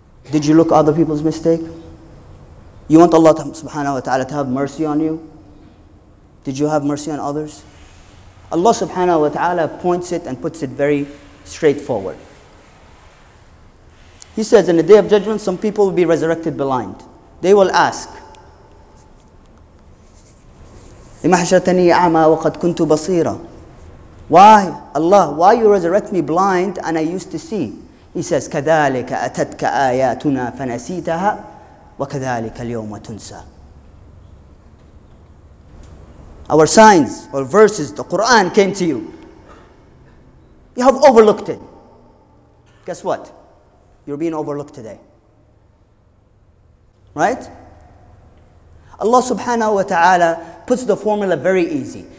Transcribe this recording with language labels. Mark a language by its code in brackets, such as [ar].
[en] Did you look at other people's mistake? You want Allah subhanahu wa ta'ala to have mercy on you? Did you have mercy on others? Allah subhanahu wa ta'ala points it and puts it very straightforward. He says, in the day of judgment, some people will be resurrected blind. [ar] They will ask, إِمَحْشَتَنِي أَعْمَى وَقَدْ كُنْتُ بَصِيرًا. [en] Why, Allah, why you resurrect me blind and I used to see? [ar] He says, كَذَلِكَ أَتَتْكَ آيَاتُنَا فَنَسِيتَهَا وَكَذَلِكَ الْيَوْمَ تُنْسَى. [en] Our signs or verses, the Quran came to you. You have overlooked it. Guess what? You're being overlooked today. Right? Allah subhanahu wa ta'ala puts the formula very easy.